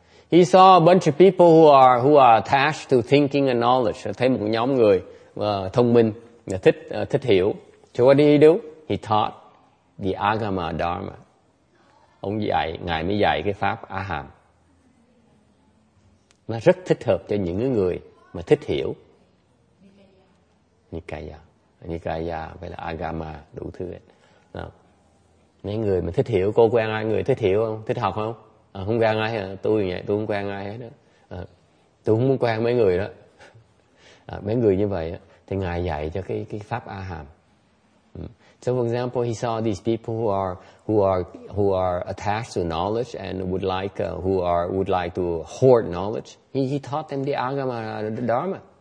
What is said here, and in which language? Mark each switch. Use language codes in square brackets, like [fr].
[en] He saw a bunch of people who are attached to thinking and knowledge. [vi] Thấy một nhóm người thông minh, thích hiểu. [en] So what did he do? He taught the Agama Dharma. [vi] Ông dạy, Ngài mới dạy cái pháp A-hàm. mà rất thích hợp cho những người mà thích hiểu. Nikaya. Nikaya phải là agama đủ thứ hết. Mấy người mà thích hiểu, cô quen ai người thích hiểu không? Thích học không? À, không quen ai hết. Tôi vậy, tôi không quen ai hết đó. À, tôi không muốn quen mấy người đó. À, mấy người như vậy đó, thì ngài dạy cho cái pháp A Hàm. [en] So for example, he saw these people who are attached to knowledge and would like to hoard knowledge. He taught them the agama, the dharma.